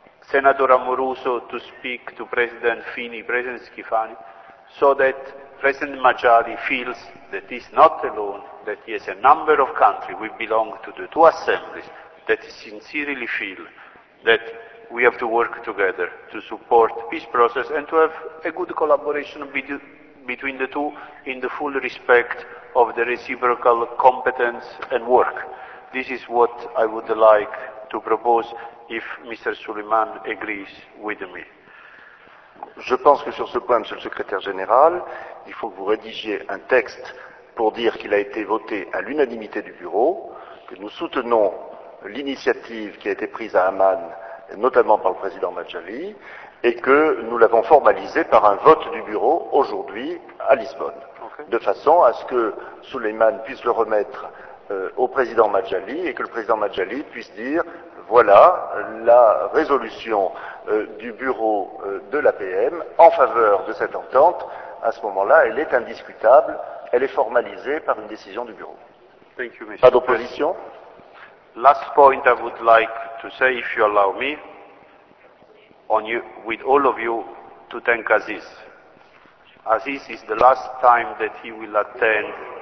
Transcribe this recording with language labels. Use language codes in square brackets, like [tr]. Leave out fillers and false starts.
[en] Senator Amoruso to speak to President Fini, President Schifani, so that President Majali feels that he's not alone, that he has a number of countries, we belong to the two assemblies, that sincerely feel that we have to work together to support peace process and to have a good collaboration between the two in the full respect of the reciprocal competence and work. This is what I would like to propose if Mr. Suleiman agrees with me. [fr] Je pense que sur ce point, Monsieur le Secrétaire Général, il faut que vous rédigiez un texte pour dire qu'il a été voté à l'unanimité du Bureau, que nous soutenons l'initiative qui a été prise à Amman, notamment par le président Majali, et que nous l'avons formalisée par un vote du Bureau aujourd'hui à Lisbonne, de façon à ce que Suleiman puisse le remettre au président Majali et que le président Majali puisse dire voilà la résolution du bureau de l'APM en faveur de cette entente. À ce moment-là, elle est indiscutable, elle est formalisée par une décision du bureau. [en] Thank you, [fr] pas d'opposition. [en] Last point I would like to say, if you allow me, on you, with all of you, to thank Aziz. Aziz is the last time that he will attend.